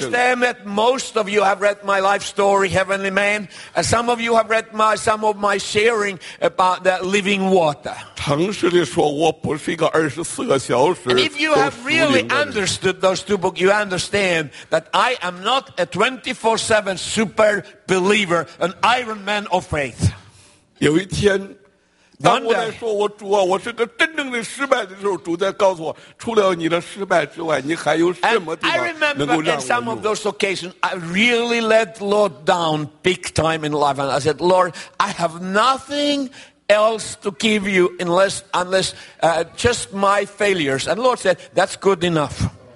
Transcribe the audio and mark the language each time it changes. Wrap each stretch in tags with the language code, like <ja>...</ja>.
<en>I understand that most of you have read my life story, Heavenly Man. Some of you have read some of my sharing about that living water. And if you have really understood those two books, you understand that I am not a 24/7 super believer, an Iron Man of faith.</en> <zh>有一天, 当我来说我主啊，我是个真正的失败的时候，主在告诉我，除了你的失败之外，你还有什么地方能够让我？</zh> <en>I remember in some of those occasions, I really let the Lord down big time in life, and I said, Lord, I have nothing else to give you unless just my failures. And Lord said, that's good enough.</en>